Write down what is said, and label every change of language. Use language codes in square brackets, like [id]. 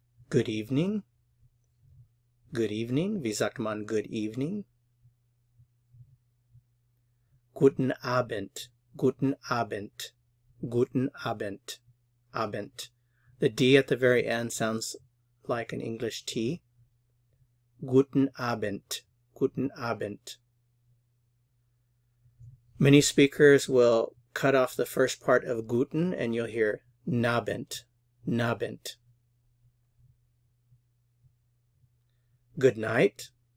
[en] Good evening. Good evening. [de] Wie sagt man [en] good evening? [de] Guten Abend. Guten Abend. Guten Abend, Abend. [en] The D at the very end sounds like an English T. [de] Guten Abend, guten Abend. [en] Many speakers will cut off the first part of guten and you'll hear nabend, nabend. Good night.